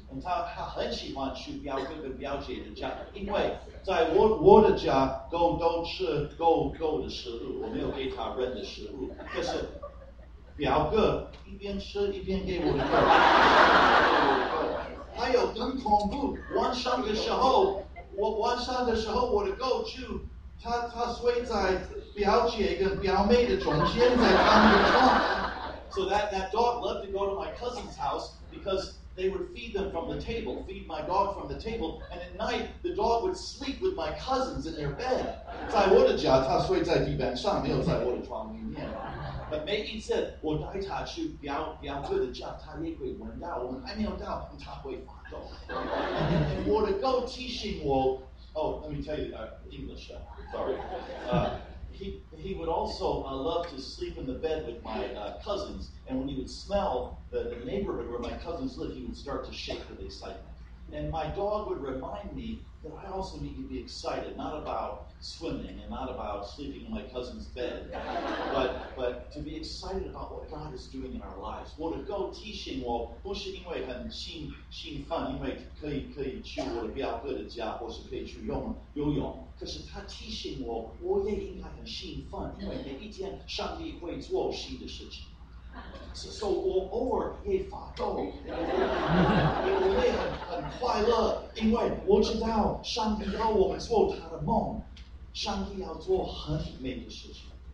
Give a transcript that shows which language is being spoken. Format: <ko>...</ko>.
<zh>他很喜欢去表哥跟表姐的家，因为在我的家狗都吃狗的食物，我没有给他扔的食物，可是表哥一边吃一边给我的狗。还有更恐怖，晚上的时候我的狗去他睡在表姐跟表妹的中间，在他们的床。</zh> <en>So that dog loved to go to my cousin's house becauseThey would feed my dog from the table, and at night, the dog would sleep with my cousins in their bed.</en> <zh>在我的家，他睡在地板上，没有在我的床里面。</zh> <en>But</en> <zh>每一次我带他去表哥的家，他也会闻到，我们还没有到，他会发抖。</zh> <en>And</en> <zh>我的狗提醒我，</zh> <en>let me tell you English, sorry. He would also love to sleep in the bed with my cousins. And when he would smell the neighborhood where my cousins lived, he would start to shake with excitement. And my dog would remind me that I also need to be excited, not about swimming and not about sleeping in my cousin's bed, but to be excited about what God is doing in our lives.</en> <zh>我的狗提醒我，不是因为很兴奋，因为可以去我的表哥的家，或是可以去游泳。可是他提醒我，我也应该很兴奋，因为每一天上帝会做新的事情。</zh> <en>So</en> <zh>我偶尔也发抖，我也很快乐，因为我知道上帝要我们做他的梦，上帝要做很美的事情。</zh>